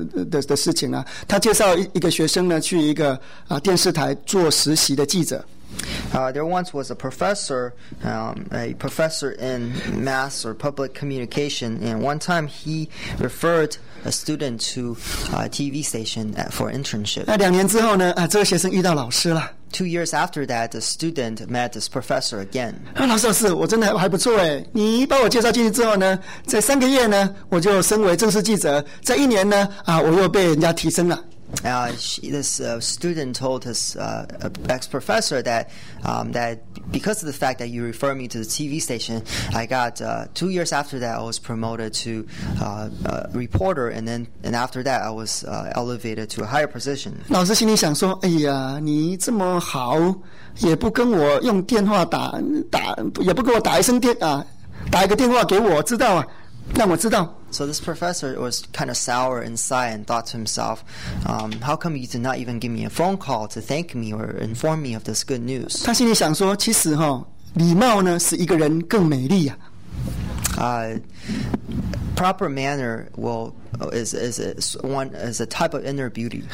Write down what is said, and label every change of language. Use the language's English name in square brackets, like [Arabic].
[Chinese] 的事情啊，他介绍一个学生呢，去一个电视台做实习的记者。 [English] There once was a professor, a professor in mass or public communication, and one time he referred a student to a TV station for internship. [Chinese] 那两年之后呢，这个学生遇到老师了。 [English] Two years after that, the student met this professor again. [Chinese] 老师，我真的还不错哎。你把我介绍进去之后呢，在三个月呢，我就升为正式记者。在一年呢，我又被人家提升了。 [English] This student told his ex-professor that because of the fact that you referred me to the TV station, I got 2 years after that I was promoted to reporter, and after that I was elevated to a higher position. [Chinese] 老师心里想说，哎呀，你这么好，也不跟我用电话打，也不给我打一声电啊，打一个电话给我知道啊，让我知道。 [English] So this professor was kind of sour inside and thought to himself, how come you did not even give me a phone call to thank me or inform me of this good news? [Chinese] 他心里想说，其实哈，礼貌呢，使一个人更美丽呀。 [English] Proper manner is a type of inner beauty.